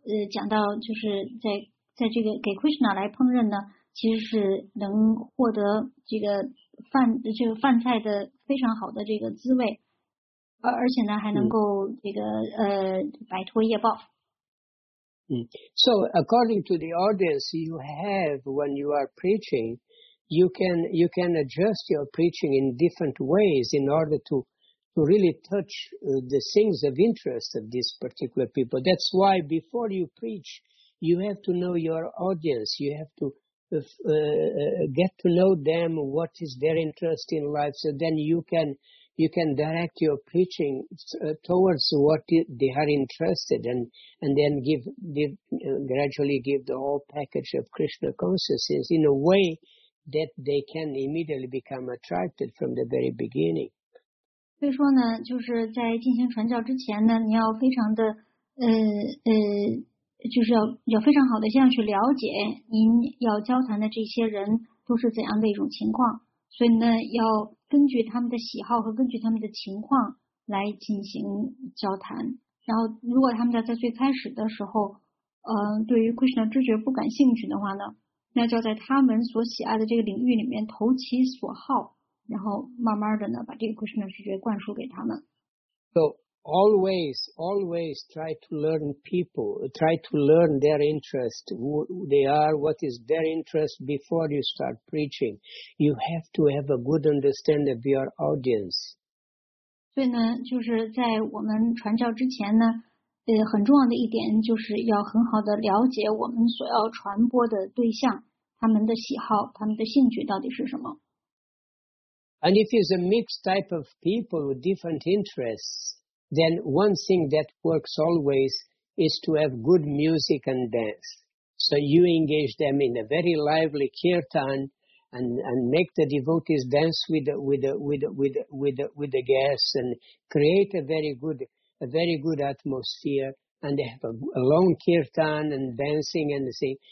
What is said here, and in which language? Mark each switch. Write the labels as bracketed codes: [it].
[zh] 讲到就是在这个给 Krishna 来烹饪呢，其实是能获得这个饭菜的非常好的这个滋味，而且呢还能够这个摆脱业报。 [en] So according to the audience you have when you are preaching, you can adjust your preaching in different ways in order to really touch the things of interest of these particular people. That's why before you preach, you have to know your audience. You have to get to know them, what is their interest in life. So then you can direct your preaching towards what they are interested in, and then gradually give the whole package of Krishna consciousness in a way that they can immediately become attracted from the very beginning. [zh] 所以说呢，就是在进行传教之前呢，你要非常的就是要非常好的先要去了解您要交谈的这些人都是怎样的一种情况，所以呢要根据他们的喜好和根据他们的情况来进行交谈。然后如果他们在最开始的时候对于 Krishna 知觉不感兴趣的话呢，那就在他们所喜爱的这个领域里面投其所好，然后慢慢的呢把这个 Krishna 知觉灌输给他们。 [en] So always try to learn people, try to learn their interest, who they are, what is their interest before you start preaching. You have to have a good understanding of your audience. [zh] 所以呢就是在我们传教之前呢很重要的一点就是要很好的了解我们所要传播的对象，他们的喜好，他们的兴趣到底是什么。 [en] And if it's a mixed type of people with different interests, then one thing that works always is to have good music and dance. So you engage them in a very lively kirtan and make the devotees dance with the guests and create a very good atmosphere, and they have a long kirtan and dancing and singing.